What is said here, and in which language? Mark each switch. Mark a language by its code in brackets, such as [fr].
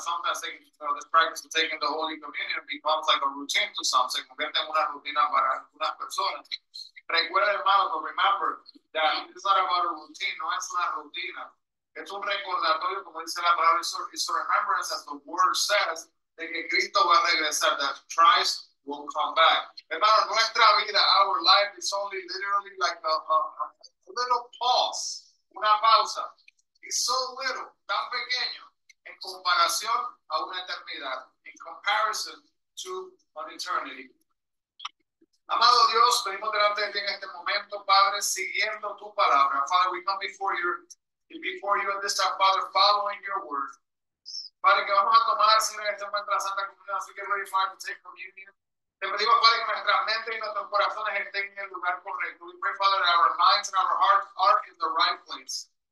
[en] Sometimes this practice of taking the Holy Communion becomes like a routine to some. [es] Se convierte en una rutina para algunas personas. Recuerda, hermano, [en] remember that it's not about a routine. [es] No es una rutina. Es un recordatorio, como dice la palabra. [en] It's a remembrance, as the word says, [es] de que Cristo va a regresar. [en] That Christ will come back. [es] Hermano, nuestra vida, [en] our life, is only literally like a little pause. [es] Una pausa. [en] It's so little, [es] tan pequeño, en comparación a una eternidad. [en] In comparison to an eternity. [es] Amado Dios, venimos delante de ti en este momento, Padre, siguiendo tu palabra. [en] Father, we come before you at this time, Father, following your word. [es] Padre, que vamos a tomar, Señor, en este momento la Santa Comunión, así que [en] ready, Father, to take communion. [es] Te pedimos, Padre, que nuestras mentes y nuestros corazones estén en el lugar correcto. [en] We pray, Father, that our minds and our hearts are in the right place.